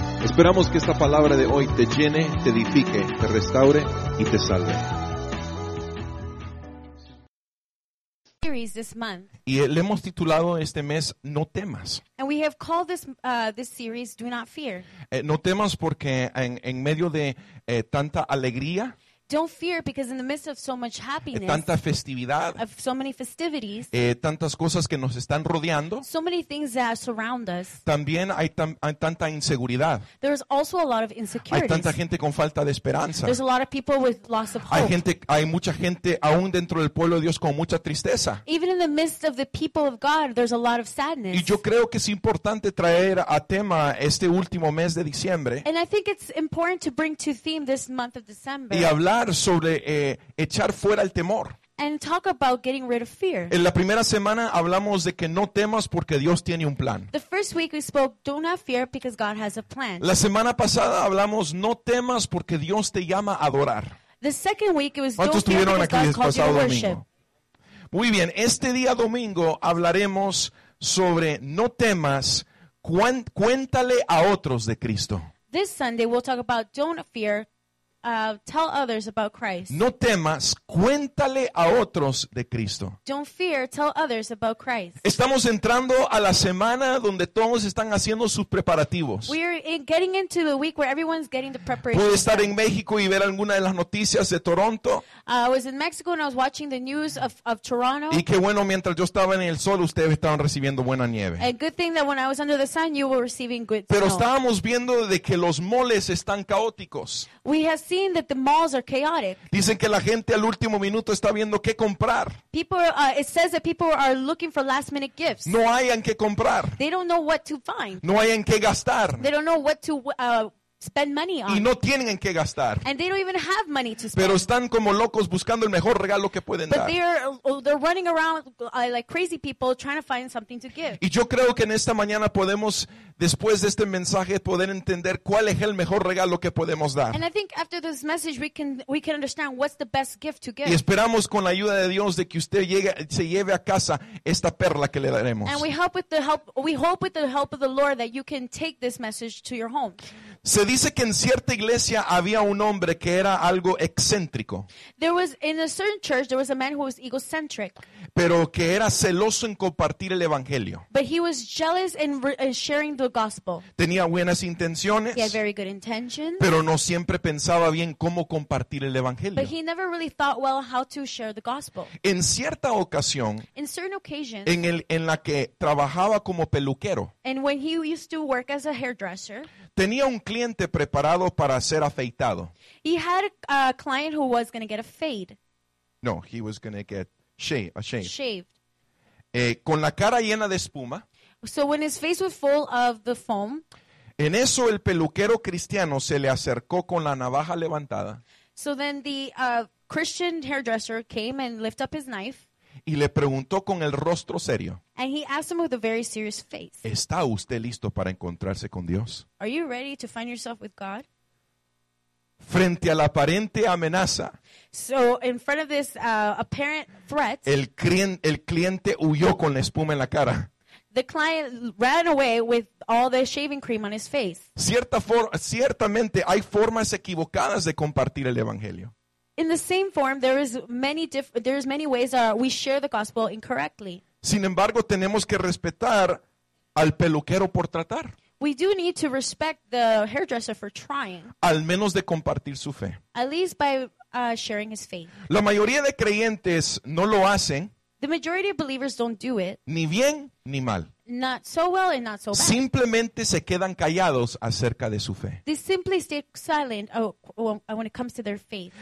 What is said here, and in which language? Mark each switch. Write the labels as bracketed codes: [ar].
[es] Esperamos que esta palabra de hoy te llene, te edifique, te restaure y te salve. [en] This month. [es] Y le hemos titulado este mes No temas. [en] And we have called this series Do Not Fear. [es] No temas porque en medio de tanta alegría. [en] Don't fear because in the midst of so much happiness. [es] Tanta festividad. [en] Of so many festivities. [es] Tantas cosas que nos están rodeando. [en] So many things that surround us. [es] También hay tanta inseguridad. [en] There's also a lot of insecurities. [es] Hay tanta gente con falta de esperanza. [en] There's a lot of people with loss of hope. [es] Hay mucha gente aún dentro del pueblo de Dios con mucha tristeza. [en] Even in the midst of the people of God, there's a lot of sadness. [es] Y yo creo que es importante traer a tema este último mes de diciembre. [en] And I think it's important to bring to theme this month of December. [es] Y hablar sobre echar fuera el temor. [en] And talk about getting rid of fear. [es] En la primera semana hablamos de que no temas porque Dios tiene un plan. [en] The first week we spoke, do not fear because God has a plan. [es] La semana pasada hablamos no temas porque Dios te llama a adorar. [en] The second week it was don't fear because God calls you to worship. [es] Muy bien, este día domingo hablaremos sobre no temas, cuéntale a otros de Cristo. [en] This Sunday we'll talk about don't fear. Tell others about Christ. [es] No temas, cuéntale a otros de Cristo. [en] Don't fear, tell others about Christ. [es] Estamos entrando a la semana donde todos están haciendo sus preparativos. [en] We're getting into the week where everyone's getting the preparations. [es] Pude estar en México y ver alguna de las noticias de Toronto. [en] I was in Mexico and I was watching the news of Toronto. [es] Y qué bueno, mientras yo estaba en el sol, ustedes estaban recibiendo buena nieve. [en] And good thing that when I was under the sun, you were receiving good [es] Pero [en] snow. [es] Estábamos viendo de que los moles están caóticos. [en] We have seen that the malls are chaotic. [es] Dicen que la gente al último minuto está viendo qué comprar. [en] It says that people are looking for last minute gifts. [es] No hay en qué comprar. [en] They don't know what to find. [es] No hay en qué gastar. [en] They don't know what to spend money on. [es] Y no tienen en qué gastar. [en] And they don't even have money to spend. [es] Pero están como locos buscando el mejor regalo que pueden [en] But [es] dar. [en] They're running around like crazy people trying to find something to give. [es] Y yo creo que en esta mañana podemos, después de este mensaje, poder entender cuál es el mejor regalo que podemos dar. [en] And I think after this message we can understand what's the best gift to give. [es] Y esperamos con la ayuda de Dios de que usted se lleve a casa esta perla que le daremos. [en] And we hope with the help of the Lord that you can take this message to your home. [es] Se dice que en cierta iglesia había un hombre que era algo excéntrico. [en] There was in a certain church there was a man who was egocentric. [es] Pero que era celoso en compartir el evangelio. [en] But he was jealous in sharing the gospel. [es] Tenía buenas intenciones. [en] He had very good intentions. [es] Pero no siempre pensaba bien cómo compartir el evangelio. [en] But he never really thought well how to share the gospel. [es] En cierta ocasión. [en] In certain occasions. [es] En la que trabajaba como peluquero. [en] And when he used to work as a hairdresser. [es] Tenía un cliente preparado para ser afeitado. [en] He had a client who was going to get a fade. No, he was going to get shaved. Shaved. [es] Con la cara llena de espuma. [en] So when his face was full of the foam. [es] En eso el peluquero cristiano se le acercó con la navaja levantada. [en] So then the Christian hairdresser came and lifted up his knife. [es] Y le preguntó con el rostro serio. [en] And he asked him with a very serious face. [es] ¿Está usted listo para encontrarse con Dios? [en] Are you ready to find yourself with God? [es] Frente a la aparente amenaza. [en] So in front of this apparent threat. [es] El cliente huyó con la espuma en la cara. [en] The client ran away with all the shaving cream on his face. [es] Ciertamente hay formas equivocadas de compartir el evangelio. [en] In the same form, there is many ways that we share the gospel incorrectly. [es] Sin embargo, tenemos que respetar al peluquero por tratar. [en] We do need to respect the hairdresser for trying. [es] Al menos de compartir su fe. [en] At least by sharing his faith. [es] La mayoría de creyentes no lo hacen. [en] The majority of believers don't do it. [es] Ni bien ni mal. [en] Not so well and not so bad. [es] Simplemente se quedan callados acerca de su fe. [en] They simply stay silent when it comes to their faith.